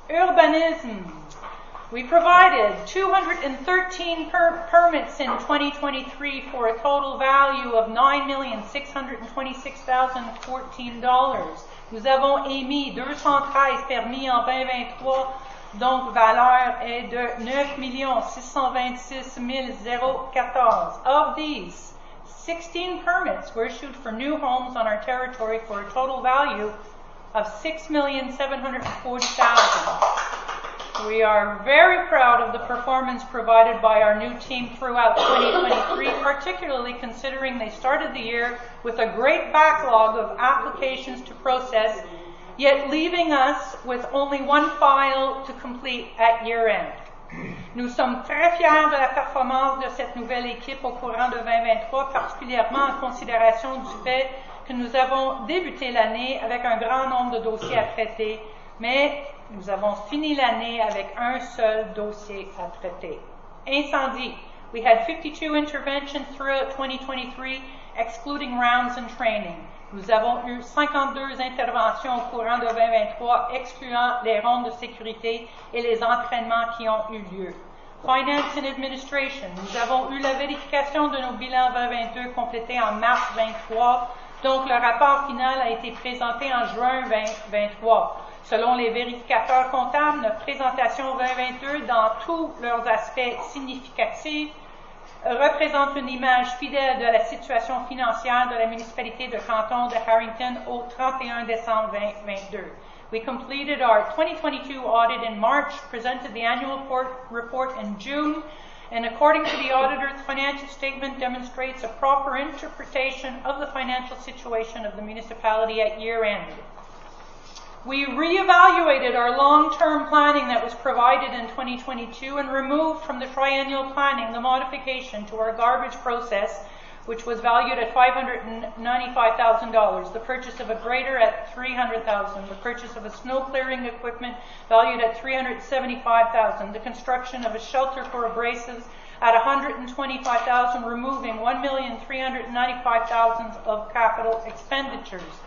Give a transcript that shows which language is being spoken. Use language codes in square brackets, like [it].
[en] Urbanisme. We provided 213 permits in 2023 for a total value of $9,626,014. [fr] Nous avons émis 213 permis en 2023, donc valeur est de $9,626,014. [en] Of these, 16 permits were issued for new homes on our territory for a total value of $6,740,000. We are very proud of the performance provided by our new team throughout 2023, particularly considering they started the year with a great backlog of applications to process, yet leaving us with only one file to complete at year end. [fr] Nous sommes très fiers de la performance de cette nouvelle équipe au courant de 2023, particulièrement en considération du fait que nous avons débuté l'année avec un grand nombre de dossiers à traiter, mais nous avons fini l'année avec un seul dossier à traiter. Incendie. [en] We had 52 interventions throughout 2023, excluding rounds and training. [fr] Nous avons eu 52 interventions au courant de 2023, excluant les rondes de sécurité et les entraînements qui ont eu lieu. [en] Finance and administration. [fr] Nous avons eu la vérification de nos bilans 2022 complétés en mars 2023, donc le rapport final a été présenté en juin 2023. Selon les vérificateurs comptables, notre présentation 2022, dans tous leurs aspects significatifs, représente une image fidèle de la situation financière de la municipalité de canton de Harrington au 31 décembre 2022. [en] We completed our 2022 audit in March, presented the annual report in June, and according to the auditor, the financial statement demonstrates a proper interpretation of the financial situation of the municipality at year end. We reevaluated our long-term planning that was provided in 2022 and removed from the triennial planning the modification to our garbage process, which was valued at $595,000, the purchase of a grader at $300,000, the purchase of a snow clearing equipment valued at $375,000, the construction of a shelter for abrasives at $125,000, removing $1,395,000 of capital expenditures.